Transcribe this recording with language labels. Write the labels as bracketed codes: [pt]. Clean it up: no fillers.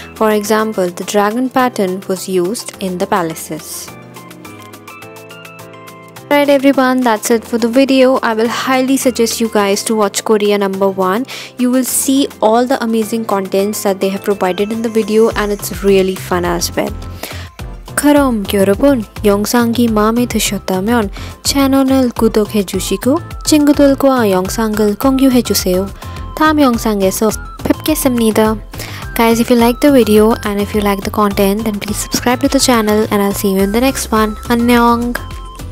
[en] For example, the dragon pattern was used in the palaces. Alright everyone, that's it for the video. I will highly suggest you guys to watch Korea number 1. You will see all the amazing contents that they have provided in the video, and it's really fun as well. [ko] 그럼 여러분 영상이 마음에 드셨다면 채널을 구독해 주시고 친구들과 영상을 공유해 주세요. 다음 영상에서 뵙겠습니다. [en] Guys, if you like the video and if you like the content, then please subscribe to the channel, and I'll see you in the next one. [ko] 안녕.